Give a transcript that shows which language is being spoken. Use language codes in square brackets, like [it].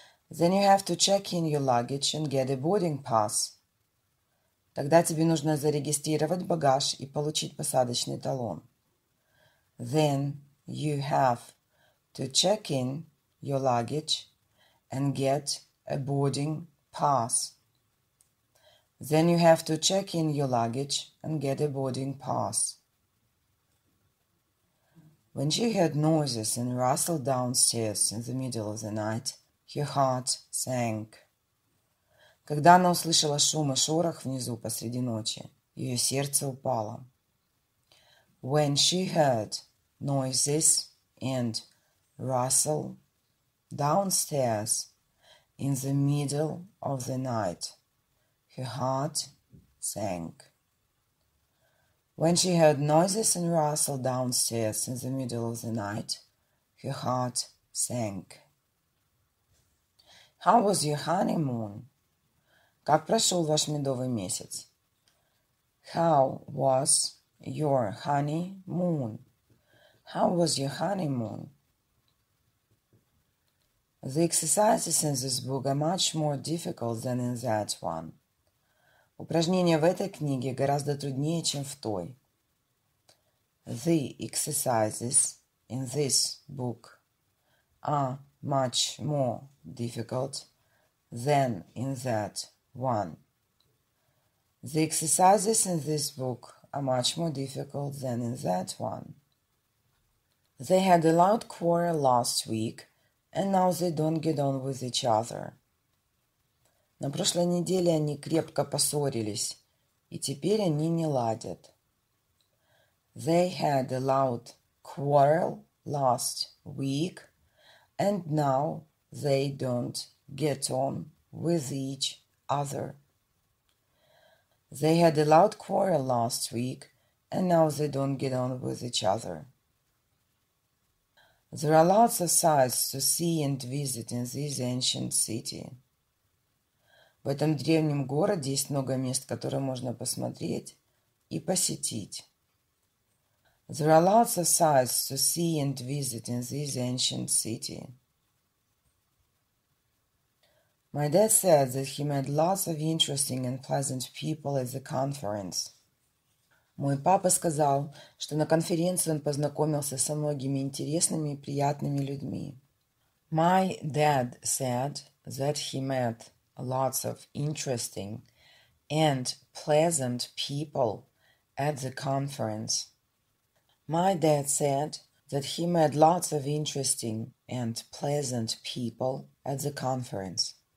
[en] Then you have to check in your luggage and get a boarding pass. [ru] Тогда тебе нужно зарегистрировать багаж и получить посадочный талон. [en] Then you have to check in your luggage and get a boarding pass. Then you have to check in your luggage and get a boarding pass. When she heard noises and rustled downstairs in the middle of the night, her heart sank. [ru] Когда она услышала шум и шорох внизу посреди ночи, ее сердце упало. [en] When she heard noises and rustle downstairs in the middle of the night, her heart sank. When she heard noises and rustle downstairs in the middle of the night, her heart sank. How was your honeymoon? [ru] Как прошел ваш медовый месяц? [en] How was your honeymoon? How was your honeymoon? The exercises in this book are much more difficult than in that one. [ru] Упражнения в этой книге гораздо труднее, чем в той. [en] The exercises in this book are much more difficult than in that one. The exercises in this book are much more difficult than in that one. They had a loud quarrel last week, and now they don't get on with each other. [ru] На прошлой неделе они крепко поссорились, и теперь они не ладят. [en] They had a loud quarrel last week, and now they don't get on with each other. They had a loud quarrel last week, and now they don't get on with each other. There are lots of sights to see and visit in this ancient city. [ru] В этом древнем городе есть много мест, которые можно посмотреть и посетить. [en] There are lots of sights to see and visit in this ancient city. My dad said that he met lots of interesting and pleasant people at the conference. [ru] Мой папа сказал, что на конференции он познакомился со многими интересными и приятными людьми. [en] My dad said that he met lots of interesting and pleasant people at the conference. My dad said that he met lots of interesting and pleasant people at the conference.